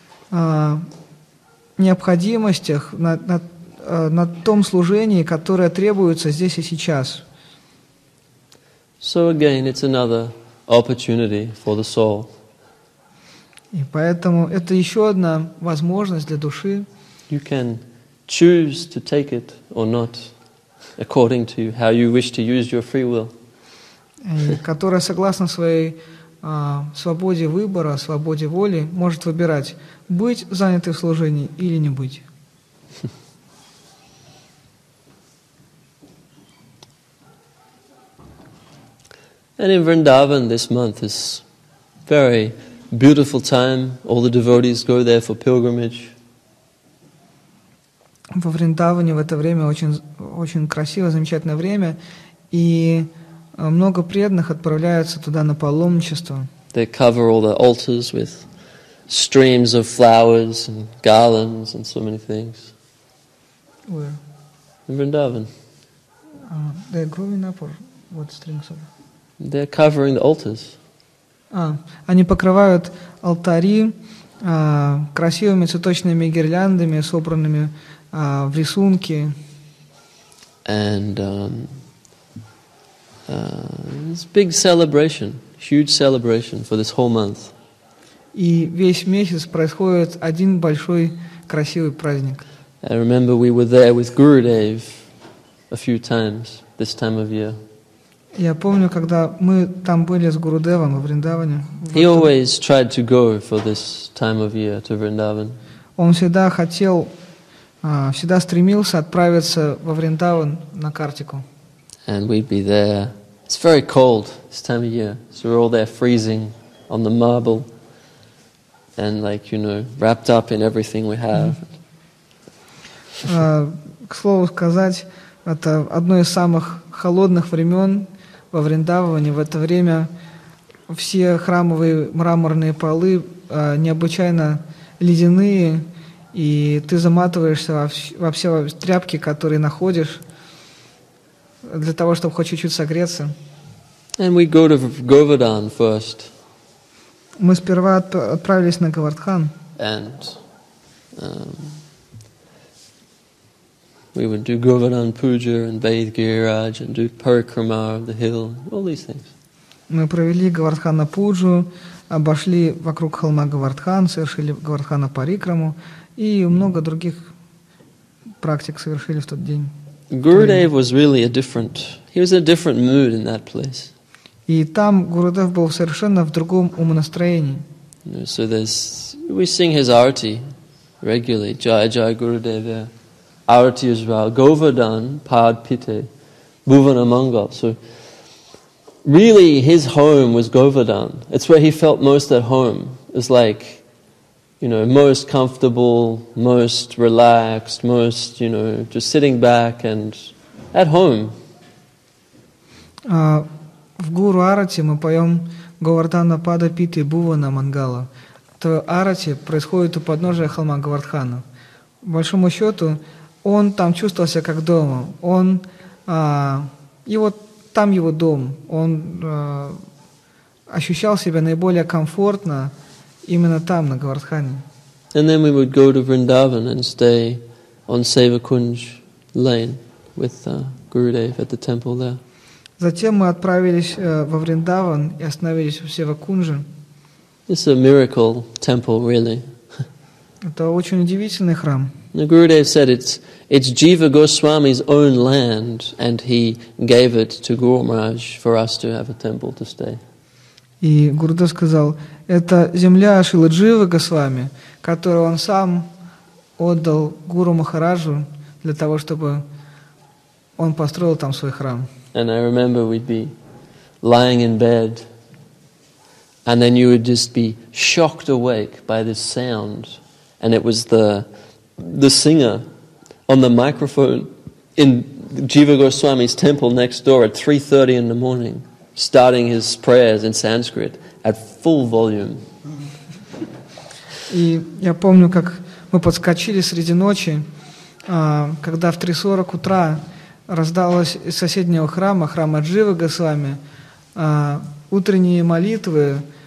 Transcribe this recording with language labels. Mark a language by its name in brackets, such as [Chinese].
[Russian] необходимостях, на том служении, которое требуется здесь и сейчас. [English] So again, it's another opportunity for the soul. [Russian] И поэтому это еще одна возможность для души. [English] You can choose to take it or not, according to how you wish to use your free will. [Russian] Которая согласно своей свободе выбора, свободе воли, может выбирать, быть занятой в служении или не быть. [English] And in Vrindavan this month is very beautiful time. All the devotees go there for pilgrimage. [Russian] Во Вриндаване в это время очень красивое, замечательное время, и много преданных отправляются туда на паломничество. [English] They cover all the altars with streams of flowers and garlands and so many things. Where? In Vrindavan. They're growing up or what strings are? They're covering the altars. [Russian] Они покрывают алтари красивыми цветочными гирляндами, собранными в рисунке. [English] And it's a big celebration, huge celebration for this whole month. [Russian] И весь месяц происходит один большой красивый праздник. [English] I remember we were there with Gurudev a few times this time of year. [Russian] Я помню, когда мы там были с Гурудевом во Вриндаване. [English] He always tried to go for this time of year to Vrindavan. [Russian] Он всегда хотел, всегда стремился отправиться во Вриндаван на Картику. [English] And we'd be there. It's very cold this time of year, so we're all there freezing on the marble, and like you know, wrapped up in everything we have. [Russian] К слову сказать, это одно из самых холодных времен во Вриндаване. В это время все храмовые мраморные полы необычайно ледяные, и ты заматываешься во все тряпки, которые находишь, для того, чтобы хоть чуть-чуть согреться. [English] And we go to Govardhan first. [Russian] Мы сперва отправились на Говардхан. [English] And we would do Govardhan puja and bathe Giriraj and do parikrama of the hill, all these things. [Russian] Мы провели Говардхана пуджу, обошли вокруг холма Говардхан, совершили Говардхана парикраму и много других практик совершили в тот день. [English] Gurudev was really a different. He was in a different mood in that place. [Russian] И там Гурудев был совершенно в другом умонастроении. [English] So we sing his arati regularly. Jai Jai Gurudev. Arati as well. Govardhan Pad Pite Bhuvana Mangal. So really, his home was Govardhan. It's where he felt most at home. It's like, you know, most comfortable, most relaxed, most, you know, just sitting back and at home. [Russian] В Гуру Арати мы поем Говардхана Пада Питы Бувана Мангала. То Арати происходит у подножия холма Говардхана. По большому счету, он там чувствовался как дома. Он там его дом. Он ощущал себя наиболее комфортно именно там, на Говардхане. [English] And then we would go to Vrindavan and stay on Sevakunj Lane with Gurudev at the temple there. [Russian] Затем мы отправились во Вриндаван и остановились в Севакунже. [English] It's a miracle temple, really. [Russian] Это очень удивительный храм. [English] Now, Gurudev said it's Jiva Goswami's own land, and he gave it to Guru Maharaj for us to have a temple to stay. [Russian] И Гурудев сказал, это земля Шрилы Дживы Госвами, которую он сам отдал Гуру Махараджу для того, чтобы он построил там свой храм. [English] And I remember we'd be lying in bed, and then you would just be shocked awake by this sound, and it was the singer on the microphone in Jiva Goswami's temple next door at 3:30 in the morning, starting his prayers in Sanskrit at full volume. [Russian] И я помню, как мы подскочили среди ночи, когда в 3:40 утра раздалось из соседнего храма, храма Дживы Госвами, утренние молитвы,